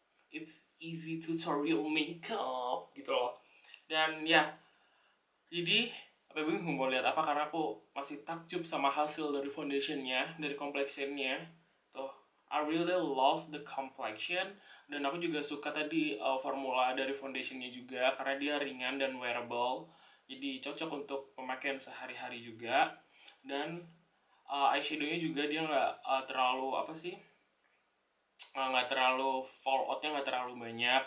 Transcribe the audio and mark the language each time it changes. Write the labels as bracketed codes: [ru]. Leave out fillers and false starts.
[en] It's easy tutorial makeup. [id] Gitu loh. Dan ya. Jadi, apa bingung mau lihat apa karena aku masih takjub sama hasil dari foundationnya, dari complexionnya. [en] Tuh, I really love the complexion. [id] Dan aku juga suka tadi formula dari foundationnya juga karena dia ringan dan wearable. Jadi cocok untuk pemakaian sehari-hari juga. Dan eyeshadownya juga dia nggak terlalu apa sih? Nggak terlalu falloutnya nggak terlalu banyak.